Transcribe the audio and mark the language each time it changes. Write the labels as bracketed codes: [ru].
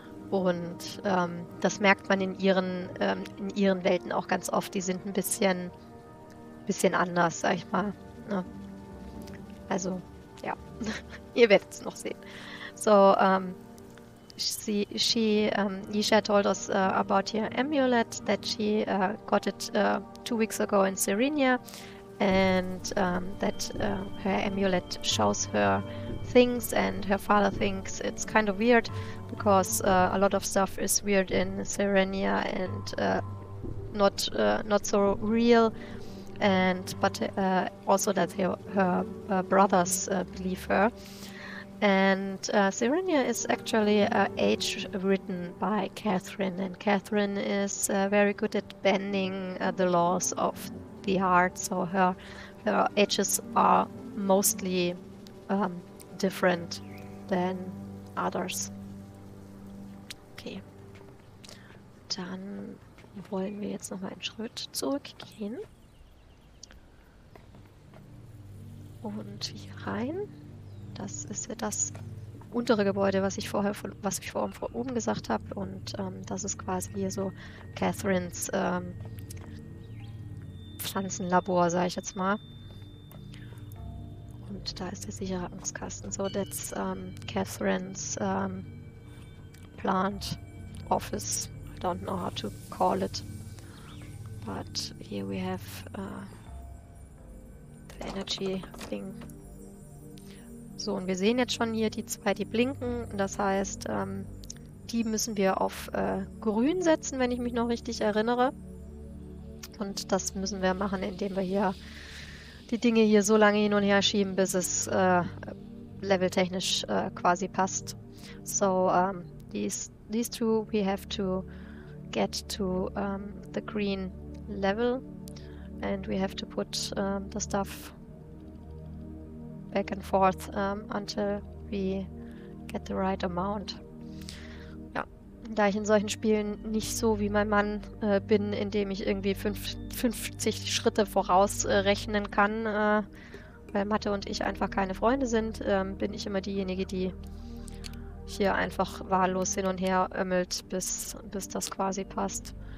[de] Und das merkt man in ihren Welten auch ganz oft. Die sind ein bisschen anders, sag ich mal. Ne? Also, ja. Ihr werdet es noch sehen. [en] So, Yisha told us about your amulet that she got it 2 weeks ago in Serenia. And that her amulet shows her things, and her father thinks it's kind of weird because a lot of stuff is weird in Serenia and not so real. And but also that her brothers believe her. And Serenia is actually age written by Catherine, and Catherine is very good at bending the laws of the art, so her edges are mostly different than others. Okay. [de] Dann wollen wir jetzt nochmal einen Schritt zurückgehen. Und hier rein. Das ist ja das untere Gebäude, was ich vorhin gesagt habe. Und das ist quasi hier so Catherines Pflanzenlabor, sage ich jetzt mal. Und da ist der Sicherungskasten. [en] So, that's Catherine's plant office. I don't know how to call it. But here we have the energy thing. [de] So, und wir sehen jetzt schon hier die zwei, die blinken. Das heißt, die müssen wir auf grün setzen, wenn ich mich noch richtig erinnere. Und das müssen wir machen, indem wir hier die Dinge hier so lange hin und her schieben, bis es leveltechnisch quasi passt. [en] So, these two we have to get to the green level. And we have to put the stuff back and forth until we get the right amount. [de] Da ich in solchen Spielen nicht so wie mein Mann bin, indem ich irgendwie 50 Schritte vorausrechnen kann, weil Mathe und ich einfach keine Freunde sind, bin ich immer diejenige, die hier einfach wahllos hin und her ömmelt, bis das quasi passt.